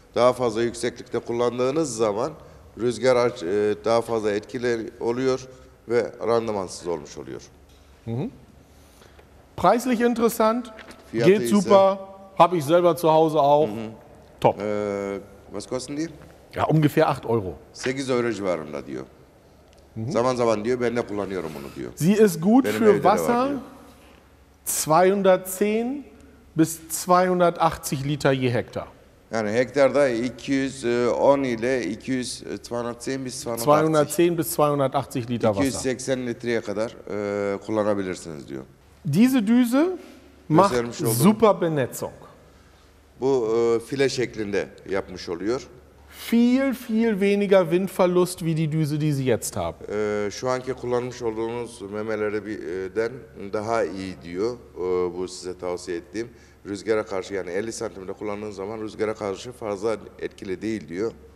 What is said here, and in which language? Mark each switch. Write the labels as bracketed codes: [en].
[tr] Daha fazla yükseklikte kullandığınız zaman rüzgar daha fazla etkili oluyor ve randımansız olmuş oluyor. [de] Preislich interessant. [tr] Fiyatı [de] geht [tr] ise, [de] super. Habe ich selber zu Hause auch. Top. Was kosten die? Ja, ungefähr 8 Euro. [tr] 8 Euro civarında diyor. Zaman zaman diyor, ben de kullanıyorum bunu diyor. [de] Sie ist gut [tr] benim [de] für Wasser, 210 bis 280 Liter je Hektar. [tr] Yani hektarda 210 ile 210 [de] bis 280 Liter Wasser. [tr] 280 litreye kadar kullanabilirsiniz diyor. [de] Diese Düse macht super Benetzung. [tr] Bu file şeklinde yapmış oluyor. [de] Viel, viel weniger Windverlust wie die Düse, die Sie jetzt haben. [tr] Şu anki kullanmış olduğunuz memelerden daha iyi diyor. Bu size tavsiye ettiğim. Rüzgara karşı yani 50 santimde kullandığın zaman rüzgara karşı fazla etkili değil diyor.